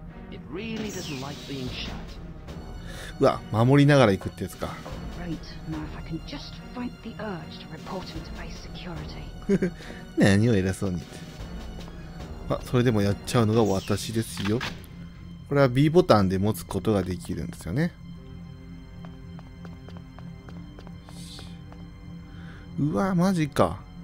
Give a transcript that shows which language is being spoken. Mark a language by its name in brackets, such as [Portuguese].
[English] It really doesn't like being shut. [Japanese] うわ、守りながら行くってやつか。 [English] Great. Now if I can just fight the urge to report him to base security. [Japanese] 何を偉そうに。まあ、それでもやっちゃうのが私ですよ。これは B ボタンで持つことができるんですよね。うわマジか。